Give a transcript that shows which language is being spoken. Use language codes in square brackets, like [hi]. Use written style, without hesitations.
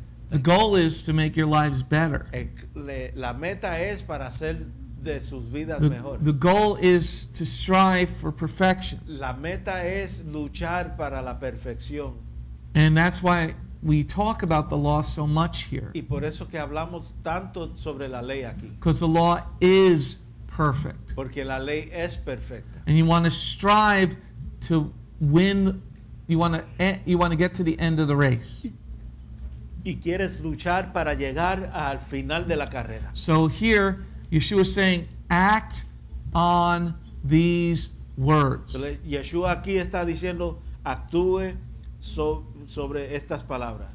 [en] The goal is to make your lives better. [es] La meta es para hacer de sus vidas mejor. [en] The goal is to strive for perfection. [es] La meta es luchar para la perfección. [en] And that's why we talk about the law so much here. [es] Y por eso que hablamos tanto sobre la ley aquí. [en] Because the law is perfect. [es] Porque la ley es perfecta. [en] And you want to strive to win. You want to get to the end of the race. [es] Y quieres luchar para llegar al final de la carrera. [en] So here, Yeshua is saying, act on these words. [es] Yeshua aquí está diciendo, actúe sobre estas palabras.